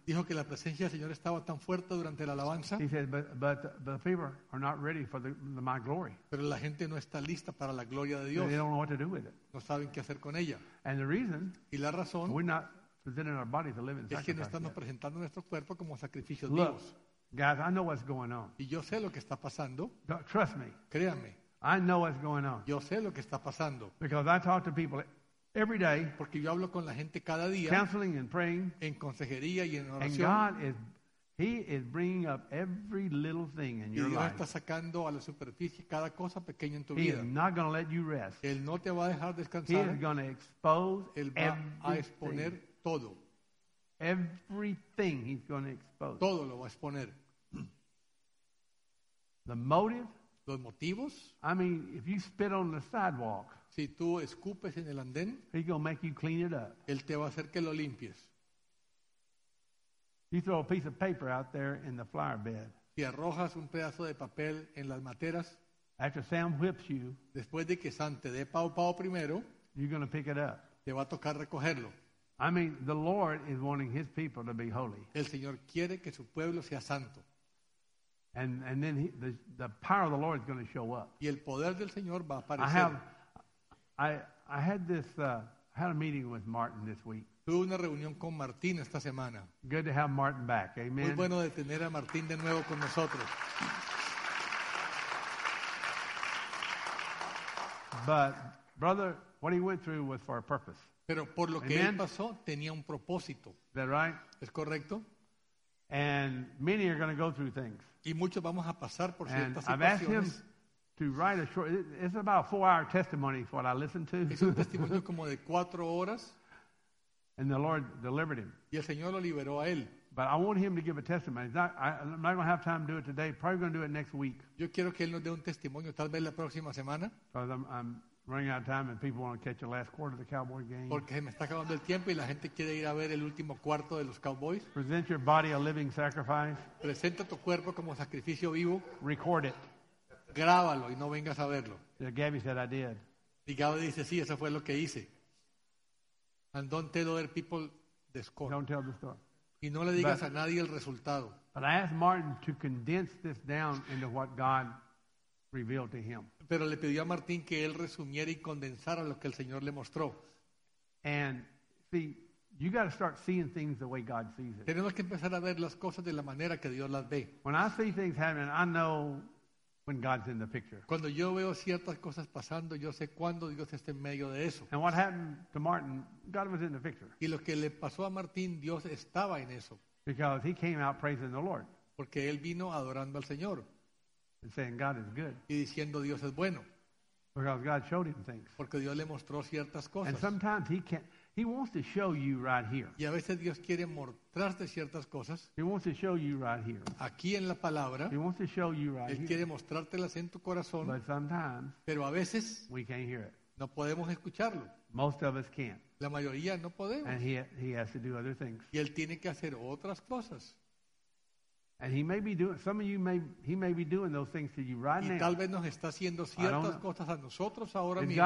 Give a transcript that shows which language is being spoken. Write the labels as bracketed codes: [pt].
[es] Dijo que la presencia del Señor estaba tan fuerte durante la alabanza. [en] He said, but the people are not ready for the my glory. [es] Pero la gente no está lista para la gloria de Dios. [en] They don't know what to do with it. [es] No saben qué hacer con ella. [en] And the reason, [es] y la razón, [en] we're not presenting our bodies to live in sacrifice. [es] Es que no estamos presentando nuestro cuerpo como sacrificio [en] look, [es] vivos. [en] Guys, I know what's going on. [es] Y yo sé lo que está pasando. [en] Trust me. [es] Créanme. [en] I know what's going on. [es] Yo sé lo que está pasando. [en] Because I talk to people every day, [es] porque yo hablo con la gente cada día, [en] counseling and praying, [es] en consejería y en oración, [en] and God is, he is bringing up every little thing in your [es] Dios [en] life. [es] Y está sacando a la superficie cada cosa pequeña en tu [en] he [es] vida. [en] He is not going to let you rest. [es] Él no te va a dejar descansar. [en] He is going to expose [es] él va [en] everything. [es] A exponer todo. [en] Everything he's going to expose. [es] Todo lo va a exponer. [en] The motive. [es] Los motivos. [en] I mean, if you spit on the sidewalk. [es] Si tú escupes en el andén, [en] he's gonna make you clean it up. [es] Él te va a hacer que lo limpies. [en] You throw a piece of paper out there in the flower bed. [es] Si arrojas un pedazo de papel en las materas, [en] After Sam whips you, [es] después de que Sam te dé pao pao primero, [en] you're going to pick it up. [es] Te va a tocar recogerlo. [en] I mean, the Lord is wanting his people to be holy. [es] El Señor quiere que su pueblo sea santo. [en] And then the power of the Lord is going to show up. [es] Y el poder del Señor va a aparecer. [en] I had a meeting with Martin this week. [es] Tuve una reunión con Martín esta semana. [en] Good to have Martin back. Amen. [es] Muy bueno de tener a Martín de nuevo con nosotros. [en] But brother, what he went through was for a purpose. [es] Pero por lo que él pasó, tenía un propósito. [en] Is that right? [es] ¿Es correcto? [en] And many are going to go through things. [es] Y muchos vamos a pasar por ciertas situaciones. [en] And I've asked him to write a short, it's about a 4-hour testimony for what I listened to. [es] Es un testimonio como de 4 horas. [en] And the Lord delivered him. [es] Y el Señor lo liberó a él. [en] But I want him to give a testimony. I'm not going to have time to do it today. Probably going to do it next week. [es] Yo quiero que él nos dé un testimonio, tal vez la próxima semana. [en] Because I'm running out of time and people want to catch the last quarter of the Cowboy game. [es] Porque me está acabando el tiempo y la gente quiere ir a ver el último cuarto de los Cowboys. [en] Present your body a living sacrifice. [es] Presenta tu cuerpo como sacrificio vivo. [en] Record it. [es] Grábalo y no vengas a verlo. [en] Yeah, Gabby said I did. [es] Y Gabby dice, sí, eso fue lo que hice. [en] And don't tell other people the score. Don't tell the story. [es] Y no le digas a nadie el resultado. [en] But I asked Martin to condense this down into what God revealed to him. [es] Pero le pidió a Martín que él resumiera y condensara lo que el Señor le mostró. [en] And see, you got to start seeing things the way God sees it. [es] Tenemos que empezar a ver las cosas de la manera que Dios las ve. [en] When I see things happening, I know when God's in the picture. [es] Cuando yo veo ciertas cosas pasando, yo sé cuándo Dios está en medio de eso. [en] And what happened to Martin, God was in the picture. [es] Y lo que le pasó a Martín, Dios estaba en eso. [en] Because he came out praising the Lord. [es] Porque él vino adorando al Señor. [en] And saying God is good. [es] Y diciendo Dios es bueno. [en] Because God showed him things. [es] Porque Dios le mostró ciertas cosas. [en] And sometimes he wants to show you right here. [es] Y a veces Dios quiere mostrarte ciertas cosas. [en] He wants to show you right here. [es] Aquí en la palabra. [en] He wants to show you right [es] él [en] here. [es] Quiere mostrártelas en tu corazón. [en] But sometimes, [es] pero a veces, [en] we can't hear it. [es] No podemos escucharlo. [en] Most of us can't. [es] La mayoría no podemos. [en] And he has to do other things. [es] Y él tiene que hacer otras cosas. [en] And he may be doing those things to you right now. [es] Y tal vez nos está haciendo ciertas cosas a nosotros ahora mismo.